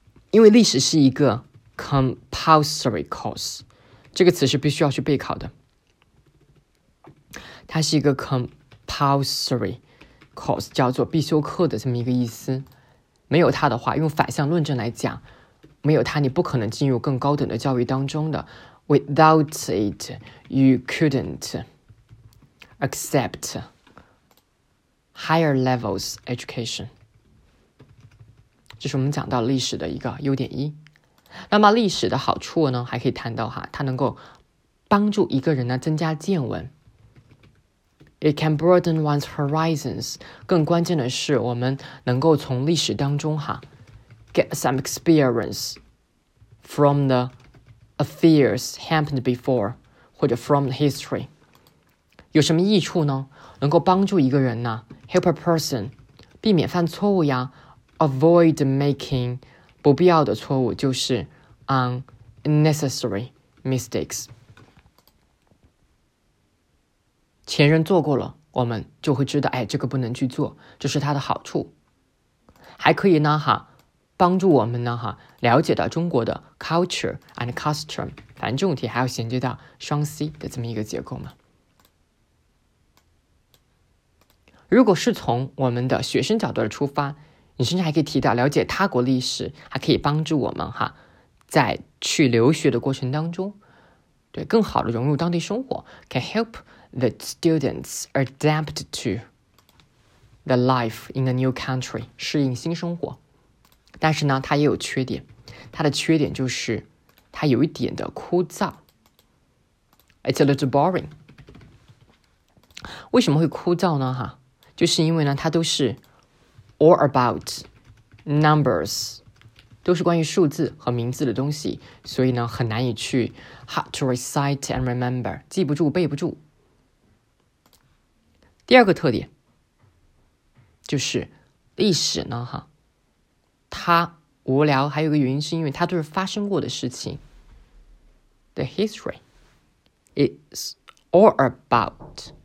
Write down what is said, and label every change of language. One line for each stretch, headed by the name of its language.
Chinese: 因为历史是一个 compulsory course， 这个词是必须要去备考的，它是一个 compulsory course， 叫做必修课的这么一个意思。没有它的话，用反向论证来讲，没有它你不可能进入更高等的教育当中的。
English: Without it you couldn't accept higher levels education。
Chinese: 这是我们讲到历史的一个优点一。那么历史的好处呢，还可以谈到哈，它能够帮助一个人呢增加见闻。
English: It can broaden one's horizons.
Chinese: 更关键的是我们能够从历史当中哈
English: get some experience from the affairs happened before 或者 from the history.
Chinese: 有什么益处呢？能够帮助一个人呢
English: help a person
Chinese: 避免犯错误呀，
English: avoid making
Chinese: 不必要的错误，就是
English: unnecessary mistakes。
Chinese: 前人做过了，我们就会知道，哎，这个不能去做，这是它的好处。还可以呢，哈，帮助我们呢，哈，了解到中国的
English: culture and custom。
Chinese: 反正这种题还要衔接到双 C 的这么一个结构嘛。如果是从我们的学生角度出发，你甚至还可以提到了解他国历史，还可以帮助我们哈，在去留学的过程当中，对更好的融入当地生活 ，
English: can help。 The students adapt to the life in a new country,
Chinese: 适应新生活。但是呢，它也有缺点，它的缺点就是它有一点的枯燥。
English: It's a little boring.
Chinese: 为什么会枯燥呢？哈，就是因为呢，它都是
English: all about numbers，
Chinese: 都是关于数字和名字的东西，所以呢，很难以去
English: hard to recite and remember，
Chinese: 记不住，背不住。第二个特点就是历史呢哈，它无聊还有一个原因是因为它都是发生过的事情。
English: The history is all about